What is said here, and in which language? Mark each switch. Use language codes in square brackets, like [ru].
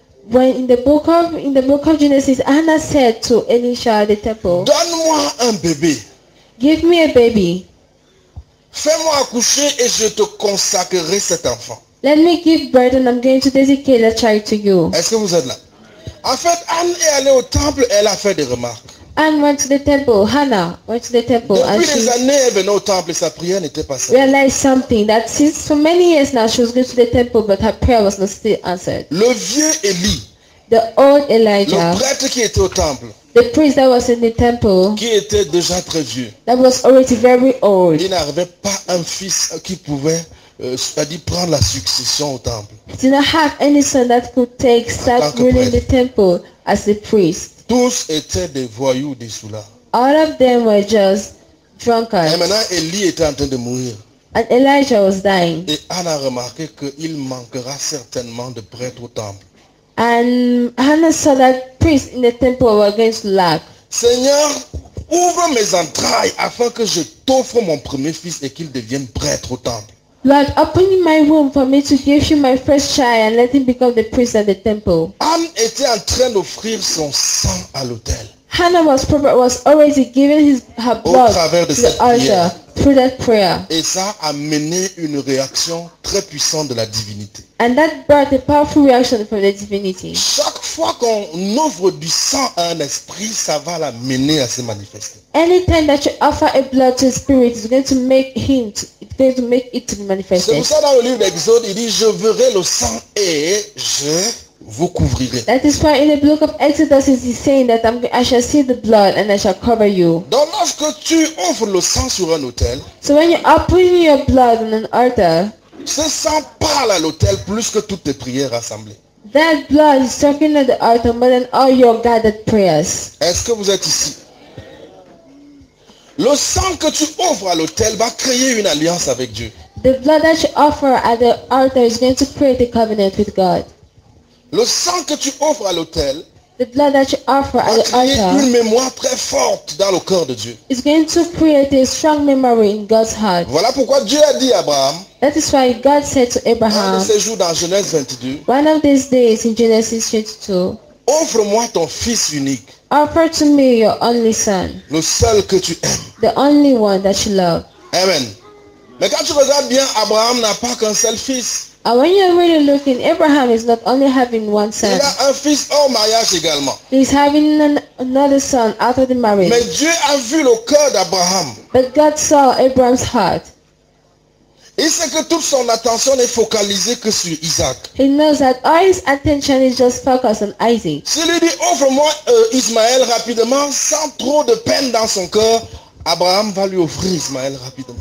[en] When in the book of Genesis, Anna said to Elisha at the temple, [fr] donne-moi un bébé. [en] Give me a baby. [fr] Fais-moi accoucher et je te consacrerai cet enfant. [en] Let me give birth and I'm going to dedicate the child to you. [fr] Est-ce que vous êtes là? En fait, Anne est allée au temple, elle a fait des remarques. [en] Anne went to the temple. Hannah went to the temple. [fr] Depuis [en] and [fr] des [en] she [fr] années, elle venait au temple et sa prière n'était pas celle-là. [en] Realized something that since for many years now she was going to the temple but her prayer was not still answered. [fr] Le vieux Élie. [en] The old Elijah. [fr] Le prêtre qui était au temple. [en] The priest that was in the temple, [fr] qui était déjà très vieux, [en] that was already very old. [fr] Il n'avait pas un fils qui pouvait, c'est-à-dire prendre la succession au temple. [en] He did not have any son that could take start ruling the temple as the priest. [fr] Tous étaient des voyous, des soulards. [en] All of them were just drunkards. [fr] Et maintenant, Élie était en train de mourir. [en] And Elijah was dying. [fr] Et Anne a remarqué qu'il manquera certainement de prêtres au temple. [en] And Hannah saw that priest in the temple were against lack. [fr] Seigneur, ouvre mes entrailles afin que je t'offre mon premier fils et qu'il devienne prêtre au temple. [en] Lord, open my womb for me to give you my first child and let him become the priest at the temple. [fr] Anne était en train d'offrir son sang à l'autel. [en] Hannah was already giving her blood through that prayer. [fr] Et ça a mené une réaction très puissante de la divinité. [en] And that brought a powerful reaction from the divinity. [fr] Chaque fois qu'on offre du sang à un esprit, ça va l'amener à se manifester. [en] Anytime that you offer a blood to a spirit, it's going to make him to, it's going to make it to be manifested. [fr] C'est pour ça dans le livre d'Exode, il dit, je verrai le sang et je vous couvrirez. [en] That is why in the book of Exodus it is saying that I shall see the blood and I shall cover you. [fr] Donc lorsque tu offres le sang sur un autel, [en] so when you are putting your blood on an altar, [fr] ce sang parle à l'autel plus que toutes tes prières rassemblées. [en] That blood is talking at the altar more than all your gathered prayers. [fr] Est-ce que vous êtes ici? Le sang que tu offres à l'autel va créer une alliance avec Dieu. [en] The blood that you offer at the altar is going to create a covenant with God. [fr] Le sang que tu offres à l'autel, [en] the blood that you offer at the altar, [fr] va créer une mémoire très forte dans le cœur de Dieu. [en] It's going to create a strong memory in God's heart. [fr] Voilà pourquoi Dieu a dit à Abraham. [en] That is why God said to Abraham. [fr] Un de ces jours dans Genèse 22. [en] One of these days in Genesis 22. [fr] Offre-moi ton fils unique. [en] Offer to me your only son. [fr] Le seul que tu aimes. [en] The only one that you love. Amen. [fr] Mais quand tu regardes bien, Abraham n'a pas qu'un seul fils. [en] And when you're really looking, Abraham is not only having one son. [fr] Il a un fils hors mariage également. [en] He's having another son after the marriage. [fr] Mais Dieu a vu le cœur d'Abraham. [en] But God saw Abraham's heart. [fr] Il sait que toute son attention n'est focalisée que sur Isaac. [en] He knows that all his attention is just focused on Isaac. [fr] Si lui dit, offre-moi Ismaël rapidement, sans trop de peine dans son cœur, Abraham va lui offrir Ismaël rapidement.